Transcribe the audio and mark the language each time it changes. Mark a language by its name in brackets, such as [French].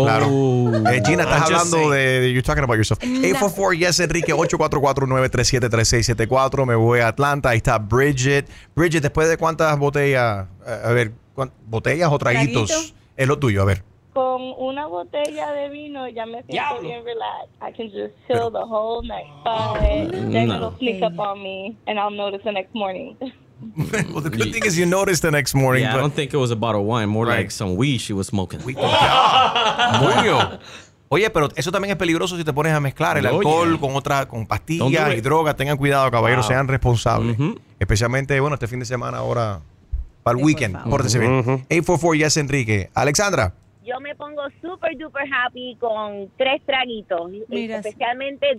[Spanish] Oh, claro. Gina, estás hablando de [English] you're talking about yourself. [Spanish] 844 yes Enrique 844-937-3674. Me voy a Atlanta, ahí está Bridget. Bridget, después de cuántas botellas, botellas o traguitos. ¿Traguito? Es lo tuyo, a ver. Con una botella de vino ya me siento ¡Diablo! [English] Bien relaxed. I can just chill pero, the whole night. Then it'll sneak up on me, and I'll notice the next morning. Well, the good thing is you notice the next morning. Yeah, but I don't think it was a bottle of wine. More right. like some weed she was smoking. [Spanish] Murió. Oye, pero eso también es peligroso si te pones a mezclar el alcohol con pastillas y drogas. Tengan cuidado, caballeros. Wow. Sean responsables. Mm-hmm. Especialmente, bueno, este fin de semana ahora para el weekend. Pórtese bien. 844 yes Enrique. Alexandra. Yo me pongo [English] super duper happy [Spanish] con tres traguitos, mira, especialmente sí.